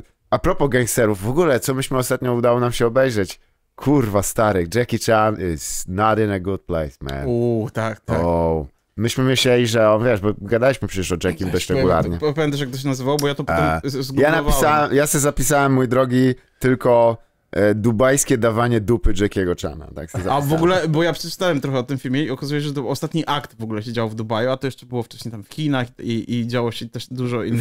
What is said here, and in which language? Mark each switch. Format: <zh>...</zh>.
<pl>A propos gangsterów, w ogóle, co myśmy ostatnio udało nam się obejrzeć? Kurwa, stary,</pl> <en>Jackie Chan is not in a good place, man.</en> <pl>Tak. Myśmy myśleli, że on, wiesz, bo gadaliśmy przecież o Jackie dość regularnie. Powiem też, jak to się nazywało, bo ja to potem zgooglowałem. Ja sobie zapisałem, mój drogi, tylko dubajskie dawanie dupy Jackiego Chana. Tak sobie zapisałem. A w ogóle, bo ja przeczytałem trochę o tym filmie i okazuje się, że to ostatni akt w ogóle się działo w Dubaju, a to jeszcze było wcześniej tam w Chinach i działo się też dużo innych...</pl>